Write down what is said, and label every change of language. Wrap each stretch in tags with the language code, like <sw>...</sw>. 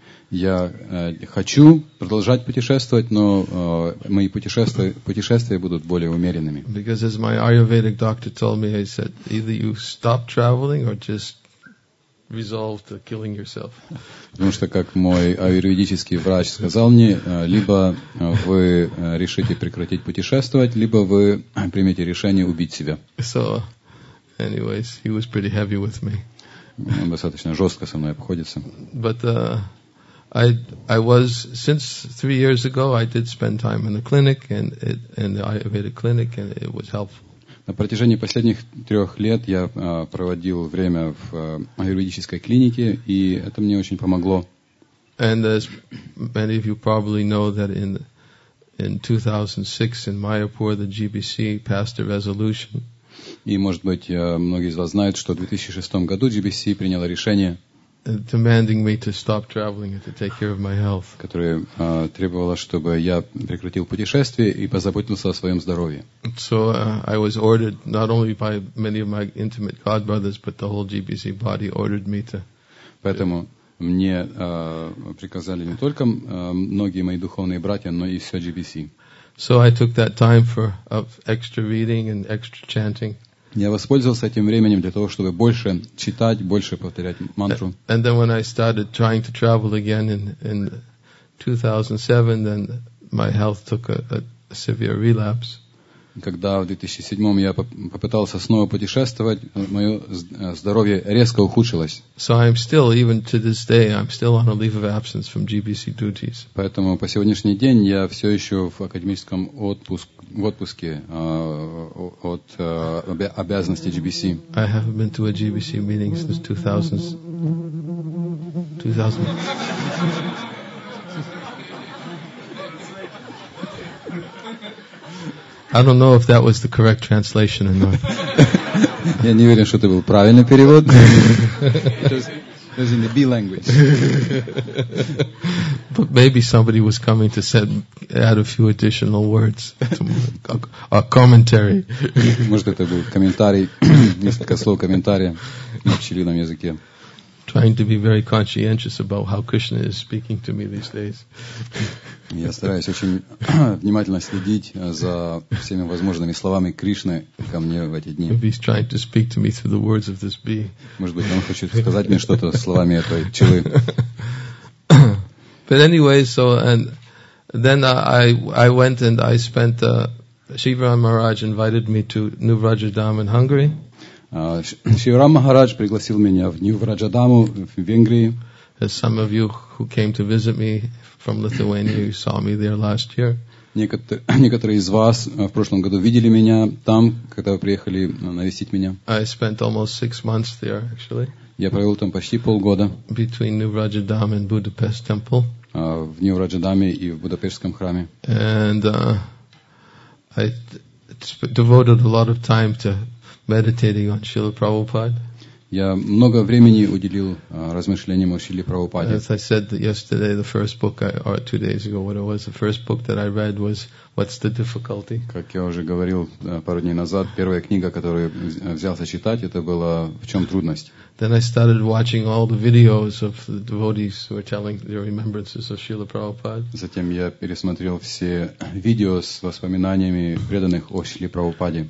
<ru>Я хочу продолжать путешествовать, но мои путешествия будут более умеренными.</ru> <en>Because as my Ayurvedic doctor told me, he said, either you stop traveling or just resolve to killing yourself.</en> <ru>Потому что, как мой аюрведический врач сказал мне, либо вы решите прекратить путешествовать, либо вы примете решение убить себя.</ru> <en>So, anyways, he was pretty heavy with me.</en> <ru>Он достаточно жестко со мной обходится.</ru> <en>But I was since 3 years ago I did spend time in the clinic and it in the Ayurvedic clinic and it was helpful.</en> <ru>На протяжении последних 3 лет я проводил время в аюрведической клинике, и это мне очень помогло.</ru> <en>And as many of you probably know that in 2006 in Mayapur the GBC passed a resolution.</en> <ru>И, может быть, многие из вас знают, что в 2006 году GBC приняла решение,</ru> <en>demanding me to stop traveling and to take care of my health.</en> <ru>Которое требовало, чтобы я прекратил путешествие и позаботился о своем здоровье.</ru> <en>So I was ordered not only by many of my intimate God brothers, but the whole GBC body ordered me to.</en> <ru>Поэтому мне приказали не только многие мои духовные братья, но и все GBC.</ru> <en>So I took that time for extra reading and extra chanting.</en> <ru>Я воспользовался этим временем для того, чтобы больше читать, больше повторять мантру.</ru> <en>And then when I started trying to travel again in 2007, then my health took a severe relapse.</en> <ru>Когда в 2007 я попытался снова путешествовать, мое здоровье резко ухудшилось.</ru> <en>So I'm still, even to this day, I'm still on a leave of absence from GBC duties.</en> <ru>Поэтому по сегодняшний день я все еще в академическом отпуске от обязанностей GBC.</ru> <en>I haven't been to a GBC meeting since 2000. I don't know if that was the correct translation or not.</en> <ru>Я не уверен, что это был правильный перевод.</ru> <en>It was in the B language. But maybe somebody was coming to add a few additional words, a commentary.</en> <ru>Может, это был комментарий, несколько слов комментария на пчелином языке.</ru> <en>Trying to be very conscientious about how Krishna is speaking to me these days.</en> <ru>Я стараюсь очень внимательно следить за всеми возможными словами Кришны ко мне в эти дни.</ru> <en>He's trying to speak to me through the words of this bee.</en> <ru>Может быть, он хочет сказать мне что-то словами этой пчелы.</ru> <en>But anyway, so and then I went and I spent Shivaram Maharaj invited me to New Rajadham in Hungary.</en> <ru>Шивара Махарадж пригласил меня в Нью-Раджадаму в Венгрии.</ru> <en>As some of you who came to visit me from Lithuania, you saw me there last year.</en> <ru>Некоторые из вас в прошлом году видели меня там, когда вы приехали навестить меня.</ru> <en>I spent almost 6 months there, actually.</en> <ru>Я провел там почти полгода.</ru> <en>Between Nuvrajadam and Budapest temple.</en> <ru>В Нью-Раджадаме и в Будапештском храме.</ru> <en>And I devoted a lot of time to meditating on Srila Prabhupada.</en> <ru>Я много времени уделил размышлениям о Шриле Прабхупаде.</ru> <en>As I said yesterday, the first book, or 2 days ago, what it was, the first book that I read was What's the Difficulty?</en> <ru>Как я уже говорил пару дней назад, первая книга, которую взялся читать, это было В чем трудность?</ru> <en>Then I started watching all the videos of the devotees who were telling their remembrances of Srila Prabhupada.</en> <ru>Затем я пересмотрел все видео с воспоминаниями преданных о Шриле Прабхупаде.</ru>